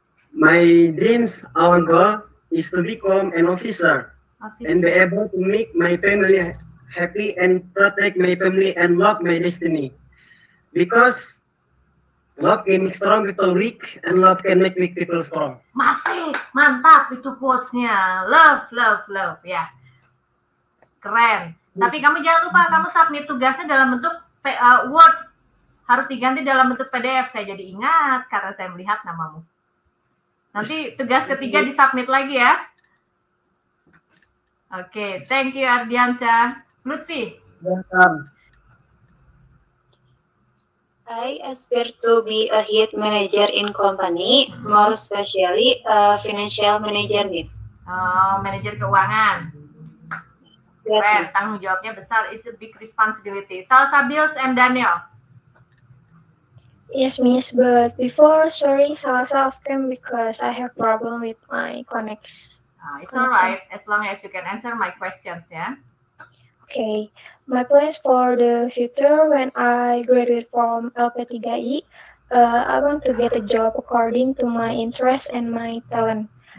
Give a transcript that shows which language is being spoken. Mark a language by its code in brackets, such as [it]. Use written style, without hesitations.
[en] My dreams, our goal, is to become an officer. And be able to make my family happy and protect my family and lock my destiny. Because love can make strong people weak and love can make weak people strong. [id] Masih, mantap itu quotes-nya. Love, love, love, ya. Keren. Tapi kamu jangan lupa, kamu submit tugasnya dalam bentuk Word. Harus diganti dalam bentuk PDF. Saya jadi ingat karena saya melihat namamu. Nanti tugas ketiga disubmit lagi ya. [en] Oke, okay, thank you Ardiansa. Lutfi. I aspire to be a head manager in company, more especially a financial manager, miss. [id] Oh, manager keuangan. Keren, yes, yes. Tanggung jawabnya besar. [en] It's a big responsibility. Salsa Bills and Daniel. Yes, miss, but before, sorry, Salsa of them because I have problem with my connects. It's all right, as long as you can answer my questions, yeah? Okay. My plans for the future when I graduate from LP3I, I want to get a job according to my interest and my talent.